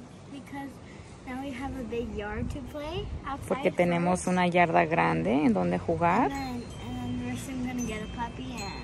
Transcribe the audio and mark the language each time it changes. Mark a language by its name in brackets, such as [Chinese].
[English] Because now we have a big yard to play outside. [Spanish] Porque tenemos una yarda grande en donde jugar. [English] And then we're soon gonna get a puppy.